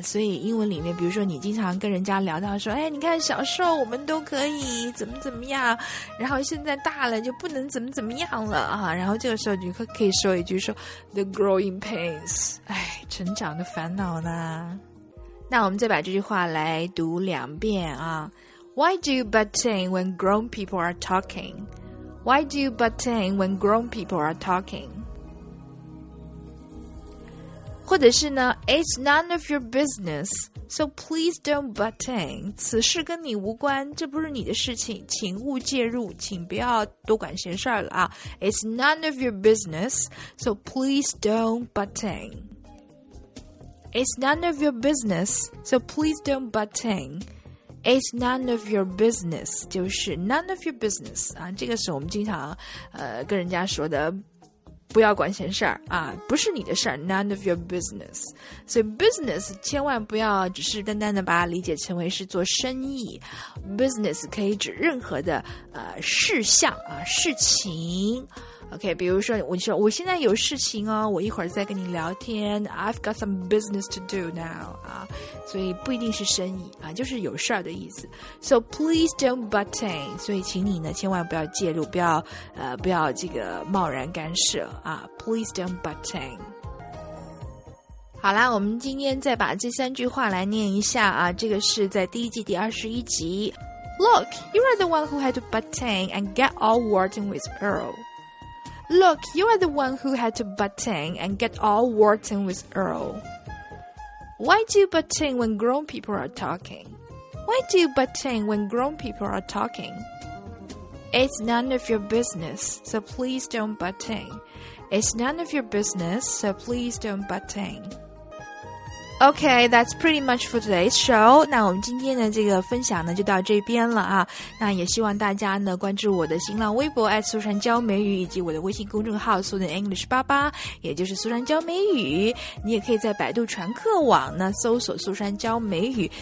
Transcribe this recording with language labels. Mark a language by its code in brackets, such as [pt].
[zh] 所以英文里面，比如说你经常跟人家聊到说，哎，你看小时候我们都可以怎么怎么样，然后现在大了就不能怎么怎么样了啊。然后这个时候你可以说一句说 ， [en] the growing pains， [zh] 哎，成长的烦恼呢。那我们再把这句话来读两遍啊。 [en] Why do you butt in when grown people are talking？ Why do you butt in when grown people are talking? 或者是呢 It's none of your business, so please don't butt in. [zh] 此事跟你无关，这不是你的事情，请勿介入，请不要多管闲事了啊。 [en] It's none of your business, so please don't butt in. It's none of your business, so please don't butt in. It's none of your business, [zh] 就是 none of your business, 啊，这个是我们经常跟人家说的不要管闲事儿啊，不是你的事儿 ,none of your business. 所以 business 千万不要只是单单的把它理解成为是做生意。 business 可以指任何的事项啊事情。 OK, 比如说我说我现在有事情哦，我一会儿再跟你聊天。 [en] I've got some business to do now, [zh] 啊，所以不一定是生意啊，就是有事儿的意思。 [en] So please don't butt in, [zh] 所以请你呢千万不要介入，不要这个贸然干涉啊。 [en] Please don't butt in。 [zh] 好啦，我们今天再把这三句话来念一下啊，这个是在第一季第21集。 [en] Look, you are the one who had to butt in and get all warting with Earl. Look, you are the one who had to butt in and get all warting with Earl. Why do you butt in when grown people are talking? Why do you butt in when grown people are talking? It's none of your business, so please don't butt in. It's none of your business, so please don't butt in. Okay, that's pretty much for today's show. [zh] 那我们今天的这个分享呢就到这边了啊。那也希望大家呢关注我的新浪微博@苏珊教美语，以及我的微信公众号Sudan English 88，也就是苏珊教美语。你也可以在百度传课网呢搜索苏珊教美语。